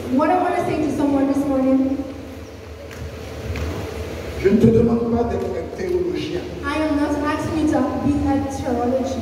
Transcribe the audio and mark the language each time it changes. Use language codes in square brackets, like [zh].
[en] What I want to say to someone this morning. [fr] Je ne te demande pas d'être un théologien. [en] I am not asking you to be a theologian.